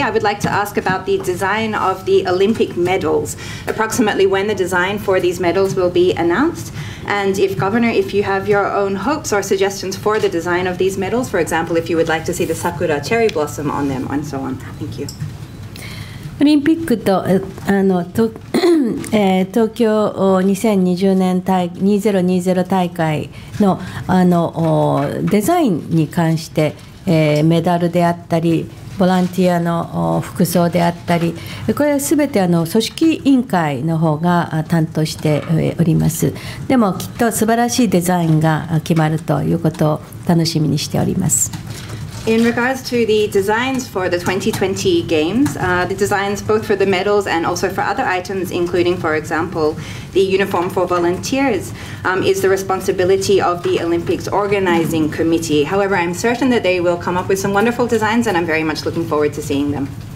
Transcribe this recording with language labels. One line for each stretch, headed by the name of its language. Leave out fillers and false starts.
English: I would like to ask about the design of the Olympic medals. Approximately when the design for these medals will be announced? And if Governor, if you have your own hopes or suggestions for the design of these medals, for example, if you would like to see the sakura cherry blossom on them and so on. Thank you.
Japanese: オリンピックと、あの、と、東京2020年2020大会 の、 あのデザインに関して、メダルであったり、ボランティアの服装であったり、これはすべてあの組織委員会の方が担当しております。でもきっと素晴らしいデザインが決まるということを楽しみにしております。
English: In regards to the designs for the 2020 games, the designs both for the medals and also for other items, including for example the uniform for volunteers, is the responsibility of the Olympics organizing committee. However, I'm certain that they will come up with some wonderful designs and I'm very much looking forward to seeing them.